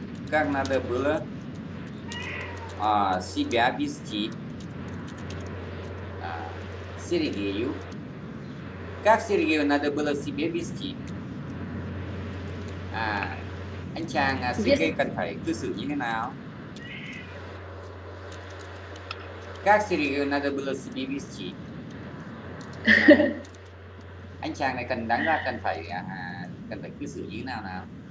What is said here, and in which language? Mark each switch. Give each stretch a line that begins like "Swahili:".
Russian: Как надо было себя вести Сергею? Как Сергею надо было себя вести?
Vietnamese: À, anh chàng Sergey cần phải cư xử như thế nào?
Russian: Как Сергею надо было себя вести?
Vietnamese: Anh chàng này cần đáng ra cần phải cư xử như thế nào nào?